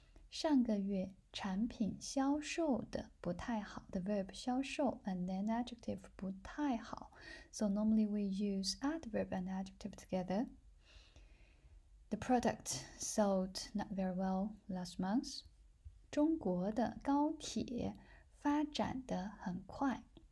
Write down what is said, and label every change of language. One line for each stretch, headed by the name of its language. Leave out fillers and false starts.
Chinese: 上个月产品销售的不太好。
English: The verb 销售 and then adjective
Chinese: 不太好。
English: So normally we use adverb and adjective together. The product sold not very well last month.
Chinese: 中国的高铁发展得很快。